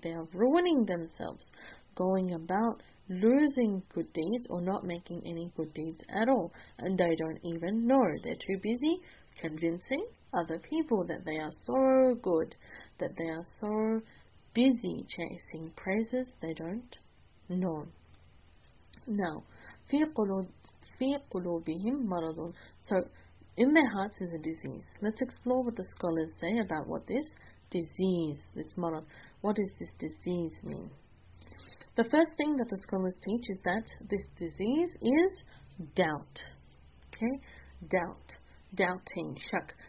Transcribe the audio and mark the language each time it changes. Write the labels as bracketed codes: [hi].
[en] They are ruining themselves, going about losing good deeds or not making any good deeds at all. And they don't even know. They're too busy convincing other people that they are so good, that they are so busy chasing praises, they don't know. [ar] Now, فِي قُلُوبِهِمْ مَرَضٌ. [en] So, in their hearts is a disease. Let's explore what the scholars say about what this disease, this marad, what does this disease mean? The first thing that the scholars teach is that this disease is doubt. Okay? Doubt. Doubting. Shak.